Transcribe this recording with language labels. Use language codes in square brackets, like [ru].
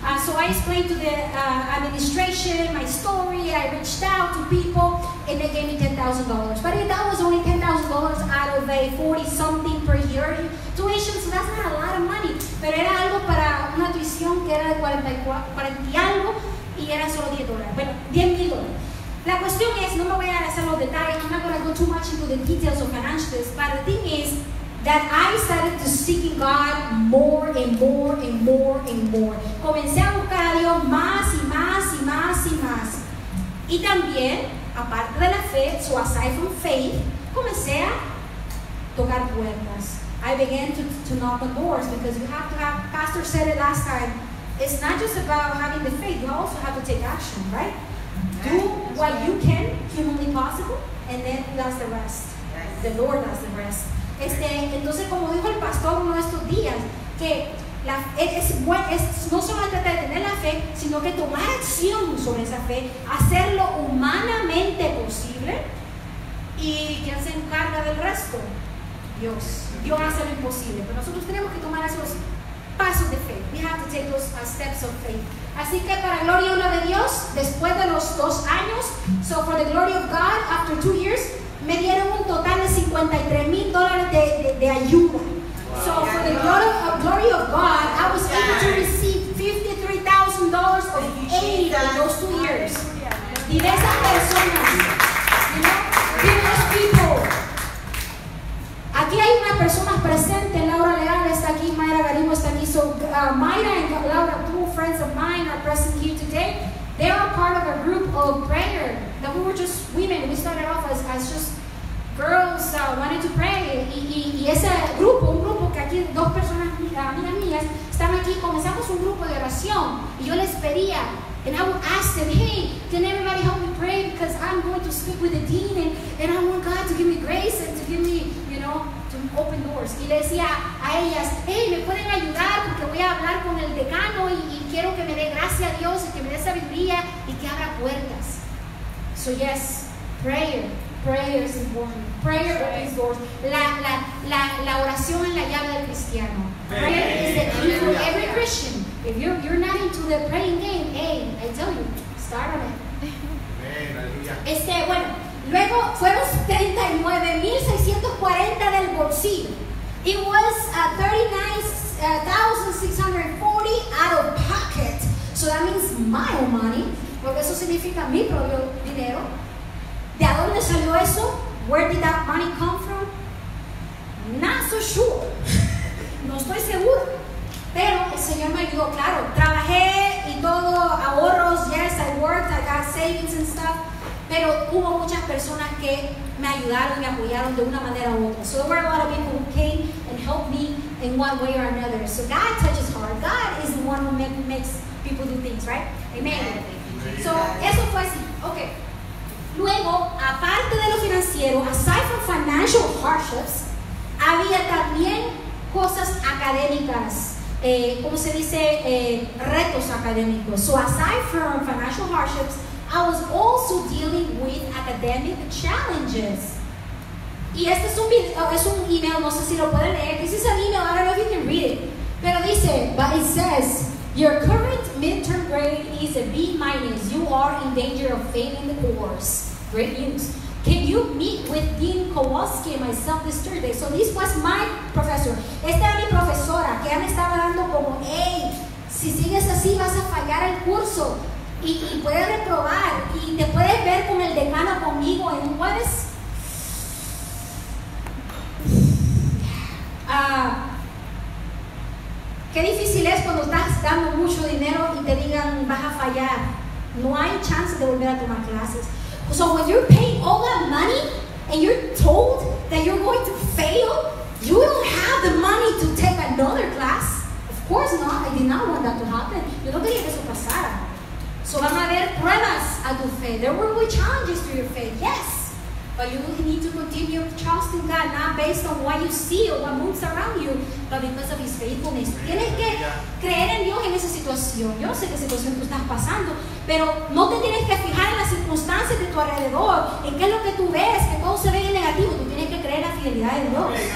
[en] So I explained to the administration my story, I reached out to people, and they gave me $10,000. But that was only $10,000 out of a 40-something per year tuition, so that's not a lot of money. [es] Pero era algo para una tuición que era de 40 y algo, y era solo $10. Bueno, $10,000. La cuestión es, no me voy a hacer los detalles, [en] I'm not going to go too much into the details of financials, but the thing is that I started to seek God more and more and more and more. [es] Comencé a buscar a Dios más y más y más y más. Y también, aparte de la fe, [en] so aside from faith, [es] comencé a tocar puertas. [en] I began to knock on doors because you have to have, Pastor said it last time, it's not just about having the faith, you also have to take action, right? Do what you can, humanly possible, and then does the rest. The Lord does the rest. [es] Entonces, como dijo el pastor uno de estos días, que no solo trata de tener la fe, sino que tomar acción sobre esa fe, hacerlo humanamente posible, y quien se encarga del resto, Dios. Dios hace lo imposible, pero nosotros tenemos que tomar esos pasos de fe. [en] We have to take those steps of faith. [es] Así que para gloria y honra de Dios, después de los 2 años, [en] so for the glory of God, after 2 years, [es] me dieron un total de $53,000 de ayuda. Wow. [en] So for the glory of God, I was able to receive $53,000 of aid in those 2 years. [es] Diversas personas, diversos people. Aquí hay una persona presente, Laura Leal está aquí, Mayra Garimo está aquí. [en] So Mayra and Laura, two friends of mine, are present here today. They are part of a group of prayer that we were just women. We started off as just girls wanted to pray. [es] Y ese grupo, un grupo que aquí dos personas, amigas mías, están aquí, comenzamos un grupo de oración. Y yo les pedía, [en] and I would ask them, hey, can everybody help me pray? Because I'm going to speak with the dean, and I want God to give me grace and to give me, you know, to open doors. [es] Y le decía a ellas, hey, ¿me pueden ayudar? Porque voy a hablar con el decano y quiero que me dé gracia a Dios y que me dé sabiduría y que abra puertas. [en] So yes, prayer. Prayer is important. Prayer opens doors. [es] La oración es la llave del cristiano. [en] Prayer is the key for every Christian. If you're not into the praying game, hey, I tell you, start on it. [es] Bueno, luego fueron 39,640 del bolsillo. [en] It was 39,640 out of pocket. So that means my own money. [es] Porque eso significa mi propio dinero. ¿De dónde salió eso? [en] Where did that money come from? Not so sure. [es] No estoy seguro. Pero el Señor me ayudó, claro. Trabajé y todo, ahorros. [en] Yes, I worked, I got saved. savings and stuff. [es] Pero hubo muchas personas que me ayudaron y apoyaron de una manera u otra. [en] So there were a lot of people who came and helped me in one way or another. So God touches heart. God is the one who makes people do things, right? [es] Amen. Amen. So eso fue así. Okay. Luego, aparte de lo financiero, [en] aside from financial hardships, [es] había también cosas académicas. ¿Cómo se dice? Retos académicos. [en] So aside from financial hardships, I was also dealing with academic challenges. [es] Y este es un email, no sé si lo pueden leer. [en] This is an email, I don't know if you can read it. [es] Pero dice, [en] but it says, your current midterm grade is a B minus. You are in danger of failing the course. Great news. Can you meet with Dean Kowalski and myself this Thursday? So this was my professor. [es] Esta era mi profesora, que ella me estaba dando como, hey, si sigues así vas a fallar el curso. Y puedes reprobar y te puedes ver con el decano conmigo en jueves. Qué difícil es cuando estás dando mucho dinero y te digan vas a fallar. No hay chance de volver a tomar clases. [en] So when you're paying all that money and you're told that you're going to fail, you don't have the money to take another class. Of course not. I did not want that to happen. [es] Yo no quería que eso pasara. So van a haber pruebas a tu fe. [en] There will be challenges to your faith, yes. But you need to continue trusting God, not based on what you see or what moves around you, but because of His faithfulness. [es] Tienes que creer en Dios en esa situación. Yo sé qué situación tú estás pasando, pero no te tienes que fijar en las circunstancias de tu alrededor, en qué es lo que tú ves, que todo se ve en negativo. Tú tienes que creer en la fidelidad de Dios.